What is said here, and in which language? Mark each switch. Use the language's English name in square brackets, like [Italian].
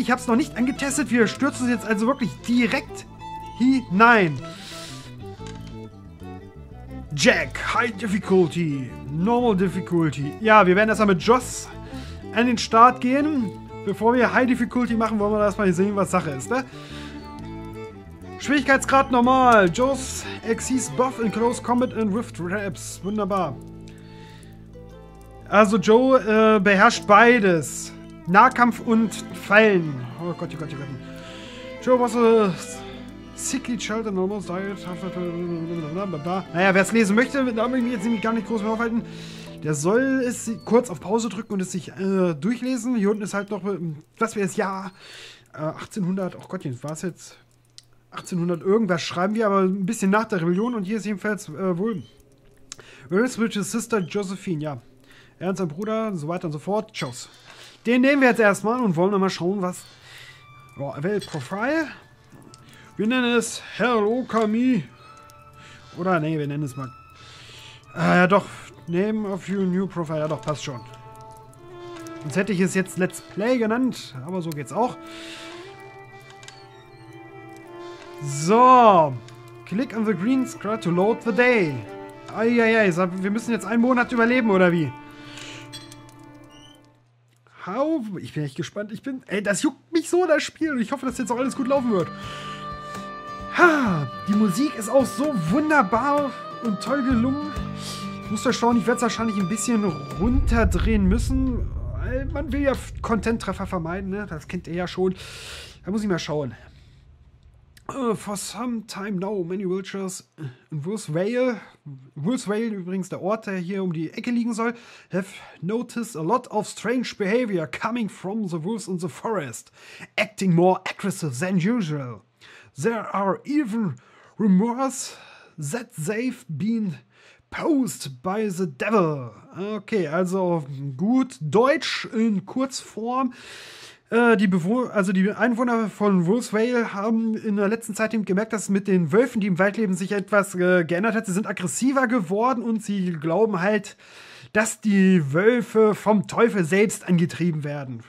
[German] Ich habe es noch nicht angetestet. Wir stürzen uns jetzt also wirklich direkt hinein. [English] Jack, High Difficulty. Normal Difficulty. [German] Ja, wir werden erstmal mit Joss an den Start gehen. Bevor wir High Difficulty machen, wollen wir erstmal sehen, was Sache ist, ne? Schwierigkeitsgrad normal. [English] Joss exceeds buff in Close Combat and Rift Raps. [German] Wunderbar. Also Joe beherrscht beides. Nahkampf und Fallen. Oh Gott, oh Gott, oh Gott. [English] Joe was a sickly child and almost died. [German] Naja, wer es lesen möchte, da möchte ich mich jetzt nämlich gar nicht groß mehr aufhalten. Der soll es kurz auf Pause drücken und es sich durchlesen. Hier unten ist halt noch, was wäre es? Ja, 1800, oh Gott, jetzt war es jetzt 1800 irgendwas. Schreiben wir aber ein bisschen nach der Rebellion und hier ist jedenfalls wohl Earth Witch's Sister Josephine, ja. Er und sein Bruder und so weiter und so fort. Tschüss. Den nehmen wir jetzt erstmal und wollen mal schauen, was... Oh, Welt Profile. Wir nennen es Hello Kami. Oder nee, wir nennen es mal... Ja doch. [English] Name of your new profile. [German] Ja doch, passt schon. Sonst hätte ich es jetzt Let's Play genannt, aber so geht's auch. So. [English] Click on the green screen to load the day. [German] Eieiei, wir müssen jetzt einen Monat überleben, oder wie? Ich bin echt gespannt. Ey, das juckt mich so, das Spiel. Ich hoffe, dass jetzt auch alles gut laufen wird. Ha, die Musik ist auch so wunderbar und toll gelungen. Ich muss euch schauen, ich werde es wahrscheinlich ein bisschen runterdrehen müssen. Weil man will ja Content-Treffer vermeiden, ne? Das kennt ihr ja schon. Da muss ich mal schauen. [English] For some time now, many villagers in Wolfsvale, [German] übrigens der Ort, der hier um die Ecke liegen soll, [English] have noticed a lot of strange behavior coming from the wolves in the forest, acting more aggressive than usual. There are even rumors that they've been posed by the devil. [German] Okay, also gut Deutsch in Kurzform. Die Einwohner von Wolfsvale haben in der letzten Zeit eben gemerkt, dass mit den Wölfen, die im Wald leben, sich etwas geändert hat. Sie sind aggressiver geworden und sie glauben halt, dass die Wölfe vom Teufel selbst angetrieben werden.